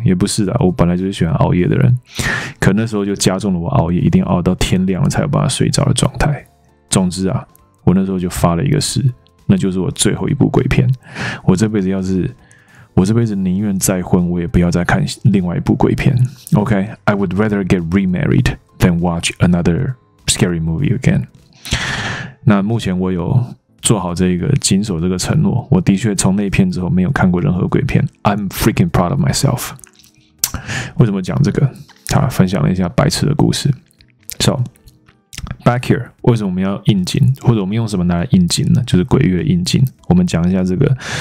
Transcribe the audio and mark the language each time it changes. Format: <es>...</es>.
<zh>也不是的，我本来就是喜欢熬夜的人。可那时候就加重了我熬夜一定熬到天亮了才有办法睡着的状态。总之啊，我那时候就发了一个誓，那就是我最后一部鬼片。我这辈子宁愿再婚，我也不要再看另外一部鬼片。</zh> <en>Okay, I would rather get remarried than watch another scary movie again.</en> <zh>那目前我有做好这个谨守这个承诺，我的确从那片之后没有看过任何鬼片。</zh> <en>I'm freaking proud of myself.</en> <zh>为什么讲这个？他分享了一下白痴的故事。</zh> <en>So, back here,</en> <zh>为什么我们要应景，或者我们用什么拿来应景呢？就是鬼月的应景。我们讲一下这个。</zh>